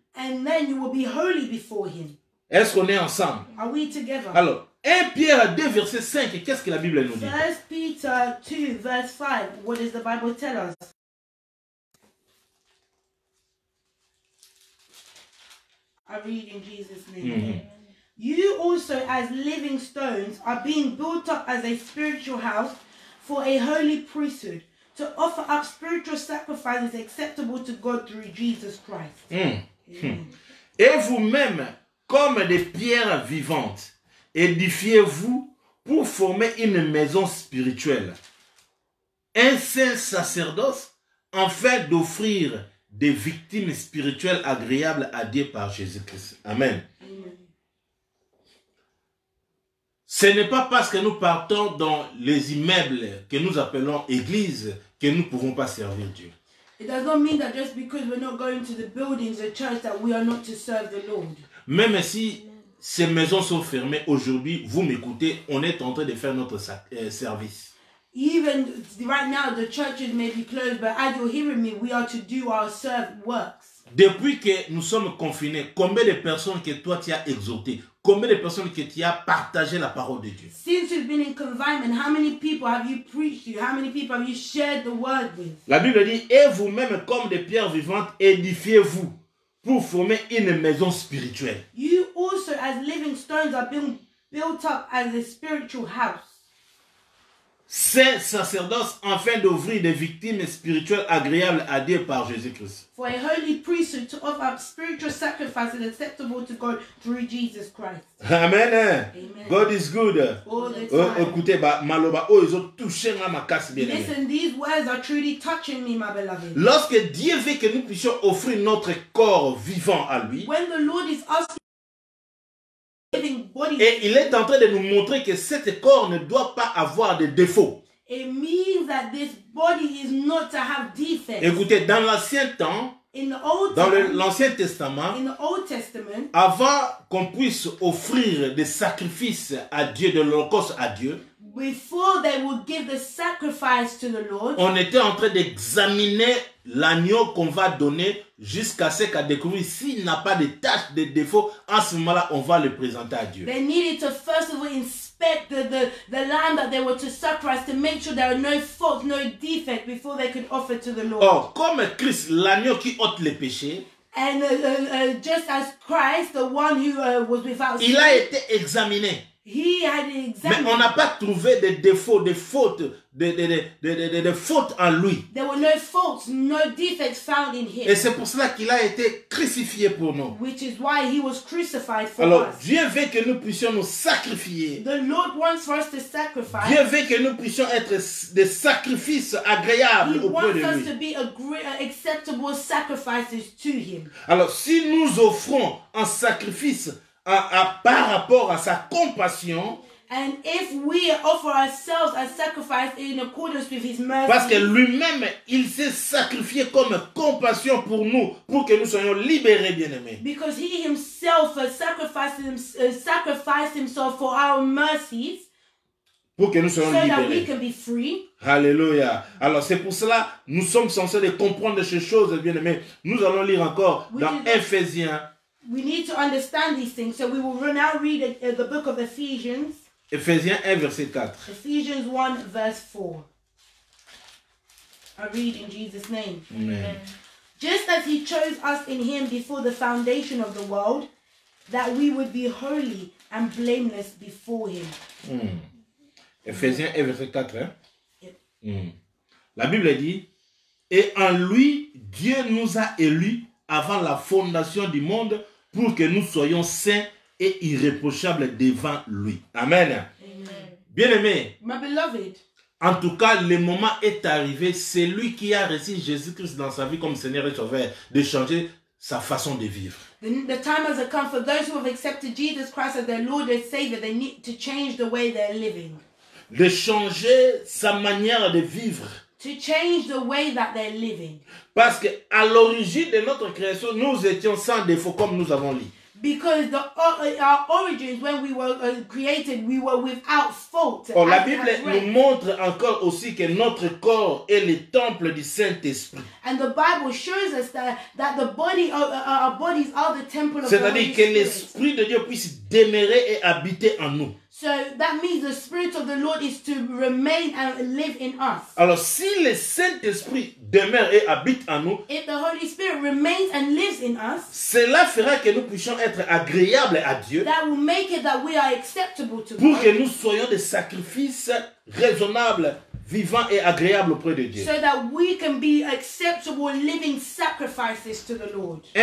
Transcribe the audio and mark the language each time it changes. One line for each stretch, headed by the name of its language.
English: And then you will be holy before him.
French: Est-ce qu'on est ensemble?
English: Are we together?
French: Alors, 1 Pierre 2 verset 5, qu'est-ce que la Bible nous dit?
English: 1 Peter 2 verse 5, what does the Bible tell us? I read in Jesus' name. Mm-hmm. You also as living stones are being built up as a spiritual house for a holy priesthood. To offer up spiritual sacrifices acceptable to God through Jesus Christ. Mmh. Mmh.
French: Et vous-même, comme des pierres vivantes, édifiez-vous pour former une maison spirituelle, un saint sacerdoce, afin d'offrir des victimes spirituelles agréables à Dieu par Jésus-Christ. Amen. Mmh. Ce n'est pas parce que nous partons dans les immeubles que nous appelons église que nous ne pouvons pas servir Dieu.
English: It does not mean that just because we're not going to the buildings, the church, that we are not to serve the Lord.
French: Même si ces maisons sont fermées aujourd'hui, vous m'écoutez, on est en train de faire notre service.
English: Even right now, the churches may be closed, but as you're hearing me, we are to do our serve works.
French: Depuis que nous sommes confinés, combien de personnes que toi tu as exhortées, combien de personnes que tu as partagé la parole de Dieu?
English: Since you've been in confinement, how many people have you preached to? How many people have you shared the word with?
French: La Bible dit, et vous-même comme des pierres vivantes, édifiez-vous pour former une maison spirituelle.
English: You also as living stones are being built up as a spiritual house.
French: Saint sacerdoce, afin d'offrir des victimes spirituelles agréables à Dieu par Jésus-Christ.
English: For a holy priesthood to offer up spiritual sacrifices acceptable to God through Jesus Christ. Amen. Amen. God is good. All the time.
French: Écoutez, maloba, oh, ils ont touché ma casse bien.
English: Listen, these words are truly touching me, my beloved.
French: Lorsque Dieu veut que nous puissions offrir notre corps vivant à lui.
English: When the Lord is asking.
French: Et il est en train de nous montrer que cette corps ne doit pas avoir de défauts.
English: It means that this body is not to have defects.
French: Écoutez, dans l'ancien temps, l'Ancien Testament,
English: in the Old Testament,
French: avant qu'on puisse offrir des sacrifices à Dieu, de l'holocauste à Dieu,
English: before they would give the sacrifice to the Lord,
French: on était en train d'examiner l'agneau qu'on va donner jusqu'à ce qu'à découvrir s'il n'a pas de tâches, de défauts. En ce moment-là, on va le présenter à Dieu.
English: They needed to first of all inspect the lamb that they were to sacrifice to make sure there are no faults, no defects before they could offer to the Lord.
French: Or, comme Christ, l'agneau qui ôte les péchés.
English: And just as Christ, the one who was without
French: sin. Il a été examiné.
English: He had examined.
French: Mais on n'a pas trouvé de défauts, de fautes, de fautes en lui.
English: There were no faults, no defects found in him.
French: Et c'est pour cela qu'il a été crucifié pour nous.
English: Which is why he was crucified for
French: Alors, Alors Dieu veut que nous puissions nous sacrifier.
English: The Lord wants for us to sacrifice.
French: Dieu veut que nous puissions être des sacrifices agréables auprès de lui.
English: He wants us to be acceptable sacrifices to him.
French: Alors si nous offrons un sacrifice par rapport à sa compassion.
English: And if we offer ourselves as sacrifice in accordance with his mercy.
French: Parce que lui-même, il s'est sacrifié comme compassion pour nous, pour que nous soyons libérés, bien-aimés.
English: Because he himself sacrificed himself for our mercies.
French: Pour que nous soyons libérés.
English: So that we can be free.
French: Alléluia. Alors c'est pour cela, nous sommes censés de comprendre ces choses, bien-aimés. Nous allons lire encore dans Éphésiens.
English: We need to understand these things, so we will now read the book of Ephesians.
French: Ephésiens 1, verset 4.
English: Ephesians 1, verse 4. I read in Jesus' name. Amen. Amen. Just as he chose us in him before the foundation of the world, that we would be holy and blameless before him.
French: Mm. Ephésiens 1, verset 4. Hein? Yep. Mm. La Bible dit, et en lui, Dieu nous a élus avant la fondation du monde, pour que nous soyons saints et irréprochables devant lui. Amen. Amen. Bien-aimés,
English: my beloved,
French: En tout cas, le moment est arrivé. C'est lui qui a reçu Jésus-Christ dans sa vie comme Seigneur et Sauveur, de changer sa façon de vivre.
English: The time has come for those who have accepted Jesus Christ as their Lord and Savior. They need to change the way they're living.
French: De changer sa manière de vivre.
English: To change the way that they're living.
French: Parce que à l'origine de notre création, nous étions sans défaut comme nous avons lu.
English: Because the our origins when we were created, we were without fault.
French: Oh, la Bible nous montre encore aussi que notre corps est le temple du Saint-Esprit.
English: And the Bible shows us that the body our bodies are the temple of
French: C'est-à-dire que l'Esprit de Dieu puisse demeurer et habiter en nous.
English: So that means the Spirit of the Lord is to remain and live in us.
French: Alors si le Saint-Esprit demeure et habite en nous,
English: if the Holy Spirit remains and lives in us,
French: cela fera que nous puissions être agréables à Dieu.
English: That will make it that we are acceptable to
French: pour
English: God.
French: Pour que nous soyons des sacrifices raisonnables, vivants et agréables auprès de Dieu.
English: So that we can be acceptable living sacrifices to the Lord.